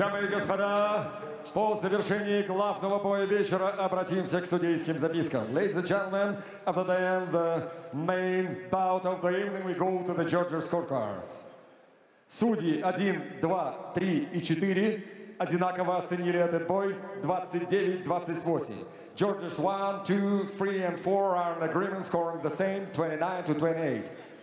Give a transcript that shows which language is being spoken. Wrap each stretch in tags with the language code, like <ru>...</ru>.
<ru>Господа, по завершении главного боя вечера обратимся к судейским запискам.</ru> <en>Ladies and gentlemen, after the end, the main bout of the evening, we go to the judges' scorecards.</en> <ru>Судьи 1, 2, 3 и 4 одинаково оценили этот бой 29-28.</ru> <en>Judges 1, 2, 3 and 4 are in agreement, scoring the same 29-28.</en>